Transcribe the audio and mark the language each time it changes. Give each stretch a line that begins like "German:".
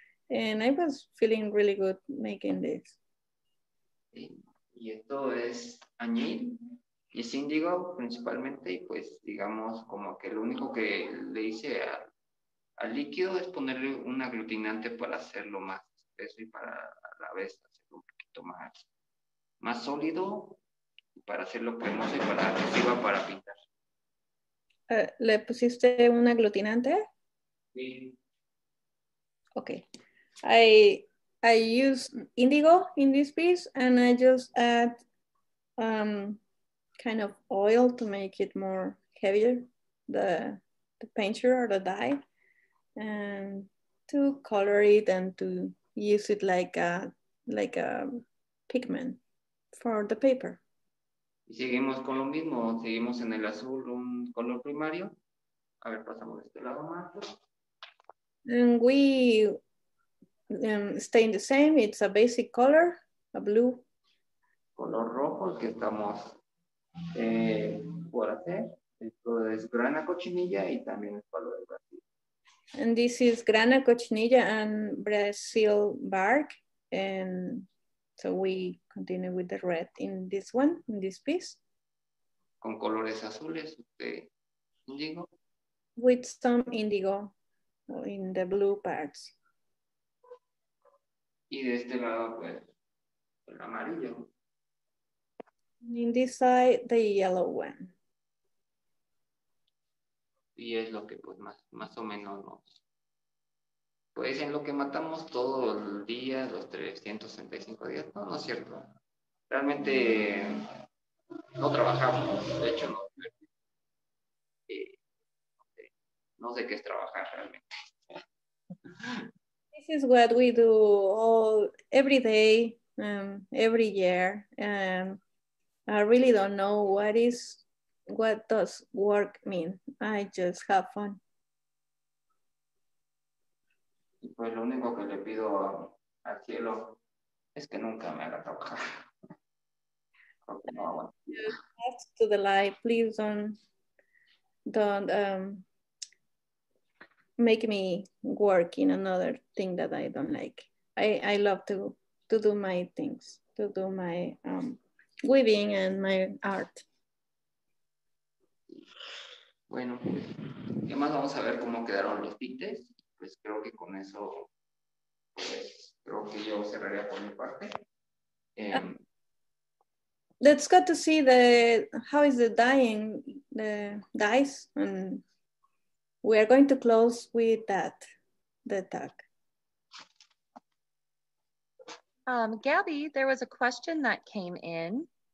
English: And I was feeling really good making this.
Spanish: Y esto es añil y es índigo principalmente, y pues digamos como que lo único que le hice al líquido es ponerle un aglutinante para hacerlo más espeso y para a la vez hacerlo un poquito más sólido, para hacerlo cremoso y para que sirva para pintar. ¿Le pusiste un aglutinante? Sí. Ok.
English: I use indigo in this piece, and I just add kind of oil to make it more heavier, the painter or the dye, and to color it and to use it like a pigment for the paper.
Spanish: Y seguimos con lo mismo, seguimos en el azul, un color primario. A ver, pasamos de este lado más.
English: And we staying the same, it's a basic color, a blue.
Spanish: Color rojo, el que estamos por hacer. Esto es grana cochinilla y también es palo de Brasil.
English: And this is grana cochinilla and Brazil bark. And so we continue with the red in this one, in this piece.
Spanish: Con colores azules, de indigo.
English: With some indigo in the blue parts.
Spanish: Y de este lado, pues, el amarillo.
English: In this side, the yellow one.
Spanish: Y es lo que, pues, más o menos nos... Pues, en lo que matamos todo el día, los 365 días, no es cierto. Realmente, no trabajamos. De hecho, no sé qué es trabajar realmente.
English: This is what we do all every day, every year. And I really don't know what does work mean. I just have fun.
Spanish: Pues lo único que le pido al cielo es que nunca me haga trabajar.
English: Ask to the light, please don't make me work in another thing that I don't like. I love to do my things, to do my weaving and my art.
Spanish: Bueno, ¿qué más vamos a ver cómo quedaron los tintes? Pues creo que con eso, creo que yo cerraría por mi parte.
English: Let's go to see how is the dyeing, the dyes, and we are going to close with that, the talk. Gabby, there was a question that came in.